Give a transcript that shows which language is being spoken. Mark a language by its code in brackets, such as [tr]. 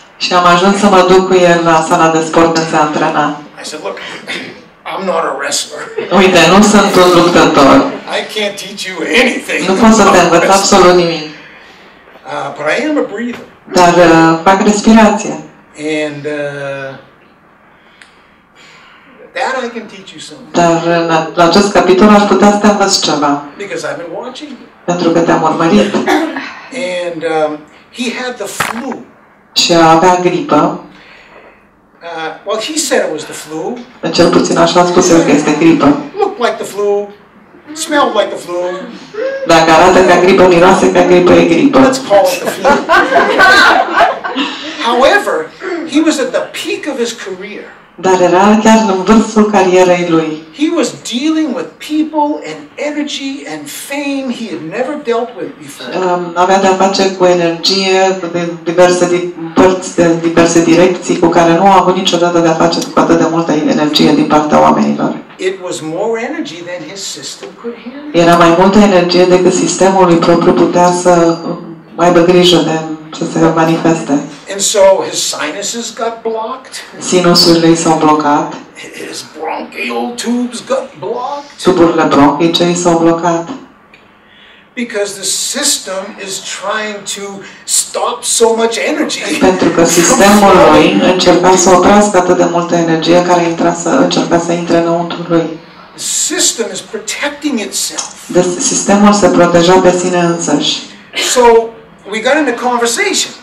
[ro] Și am ajuns să mă duc cu el la sala de sport când se antrena. [en] I said, look, I'm not a wrestler. [ro] Uite, nu sunt un luptător. [en] I can't teach you anything. [ro] Nu pot să te învăț absolut nimic. [en] But I am a breather. [ro] Dar fac respirație. [en] And that I can teach you something. [ro] Dar la acest capitol aș putea să te învăț ceva. [en] Because I've been watching you. [ro] Pentru că te-am urmărit. [en] And he had the flu. [ro] Și avea gripă. [en] Well, he said it was the flu. [ro] Cel puțin așa a spus el că este gripă. [en] Looked like the flu. Smelled like the flu. [ro] Dacă arată ca gripă, miroase ca gripă, e gripă. [en] Let's call it the flu. However, he was at the peak of his career. [ro] Dar era chiar în vârful carierei lui. [en] He was dealing with people and energy and fame he had never dealt with before. [ro] Avea de-a face cu energie de diverse părți, de diverse direcții cu care nu a avut niciodată de-a face cu atât de multă energie din partea oamenilor. [en] It was more energy than his system could handle. [ro] Era mai multă energie decât sistemul lui propriu putea să mai aibă grijă de ce se manifeste. [en] And so his sinuses got blocked. [ro] Sinusurile s-au blocat. [en] His bronchial tubes got blocked. [ro] Tuburile bronchice s-au blocat. [en] Because the system is trying to stop so much energy. [ro] Pentru că sistemul lui încerca să oprească atât de multă energie care încerca să intre înăuntru lui. [en] The system is protecting itself. [ro] Sistemul se proteja pe sine însăși. [en] So we got in a conversation.